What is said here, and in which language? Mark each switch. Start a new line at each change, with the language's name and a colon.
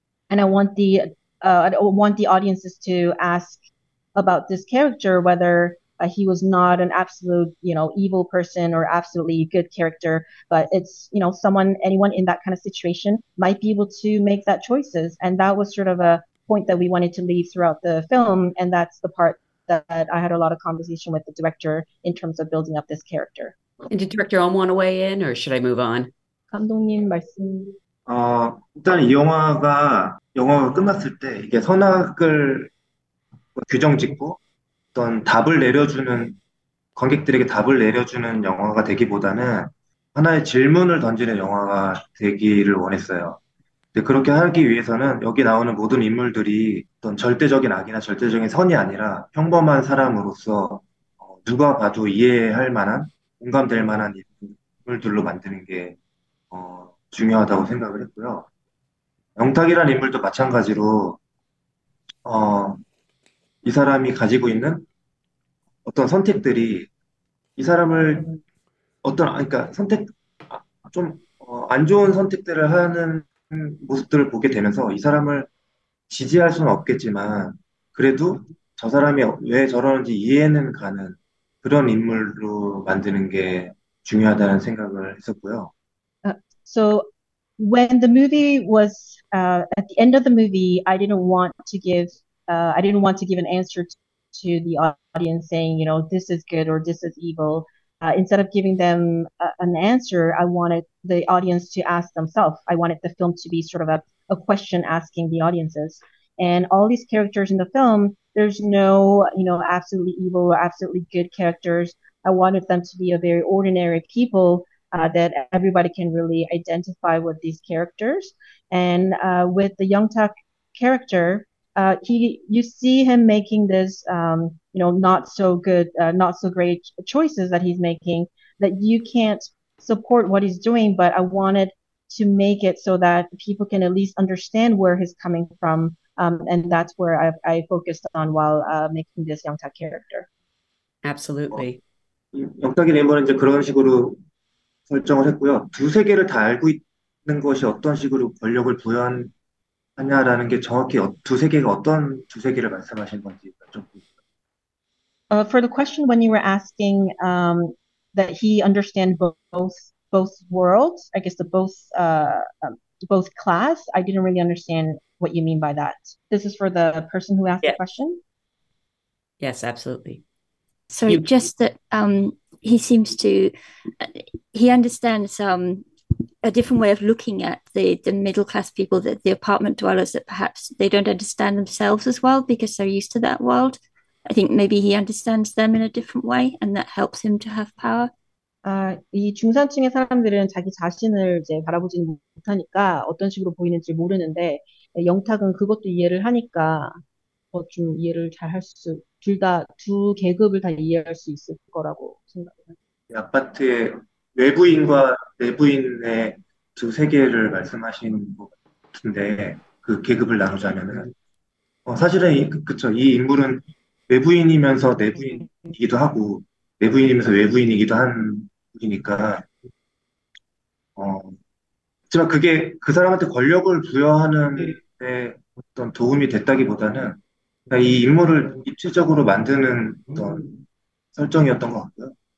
English: And I want the audiences to ask about this character, whether he was not an absolute, you know, evil person or absolutely good character, but it's, you know, anyone in that kind of situation might be able to make that choices. And that was sort of a point that we wanted to leave throughout the film. And that's the part that I had a lot of conversation with the director in terms of building up this character. And did Director Eom want to weigh in, or should I move on?
Korean: 감독님 말씀. 일단 이 영화가 끝났을 때 이게 선악을 규정 짓고 어떤 답을 내려주는 관객들에게 답을 내려주는 영화가 되기보다는 하나의 질문을 던지는 영화가 되기를 원했어요. 근데 그렇게 하기 위해서는 여기 나오는 모든 인물들이 어떤 절대적인 악이나 절대적인 선이 아니라 평범한 사람으로서 누가 봐도 이해할 만한 공감될 만한 인물들로 만드는 게 중요하다고 생각을 했고요. 영탁이라는 인물도 마찬가지로 이 사람이 가지고 있는 어떤 선택들이 이 사람을 어떤 그러니까 선택 좀 안 좋은 선택들을 하는 모습들을 보게 되면서 이 사람을 지지할 수는 없겠지만 그래도 저 사람이 왜 저러는지 이해는 가는 그런 인물로 만드는 게 중요하다는 생각을 했었고요.
English: So when the movie was at the end of the movie, I didn't want to give an answer to the audience saying, you know, this is good or this is evil. Instead of giving them an answer, I wanted the audience to ask themselves. I wanted the film to be sort of a question asking the audiences. And all these characters in the film, there's no, you know, absolutely evil or absolutely good characters. I wanted them to be a very ordinary people that everybody can really identify with these characters. And with the Young-tak character, you see him making this, you know, not so good, not so great choices that he's making that you can't support what he's doing. But I wanted to make it so that people can at least understand where he's coming from. And that's where I focused on while making this Young-tak character. Absolutely.
Korean: 영탁의 내면은 이제 그런 식으로 설정을 했고요. 두 세계를 다 알고 있는 것이 어떤 식으로 권력을 부여한 하냐라는 게 정확히 두 세계가 어떤 두 세계를 말씀하신 건지 좀.
English: For the question when you were asking that he understand both worlds, I guess the both class, I didn't really understand what you mean by that. This is for the person who asked the question. Yes, absolutely. So just that he seems to he understands a different way of looking at the middle class people, that the apartment dwellers, that perhaps they don't understand themselves as well because they're used to that world. I think maybe he understands them in a different way, and that helps him to have power.
Korean: 이 중산층의 사람들은 자기 자신을 이제 바라보지는 못하니까 어떤 식으로 보이는지 모르는데 영탁은 그것도 이해를 하니까 좀 이해를 잘 할 수 둘 다 두 계급을 다 이해할 수 있을 거라고 생각해요. 아파트의 외부인과 내부인의 두 세계를 말씀하신 것 같은데 그 계급을 나누자면은 사실은 이 인물은 외부인이면서 내부인이기도 하고 내부인이면서 외부인이기도 한 분이니까 하지만 그게 그 사람한테 권력을 부여하는 데 어떤 도움이 됐다기보다는 이 인물을 입체적으로 만드는 어떤 설정이었던 것 같고요.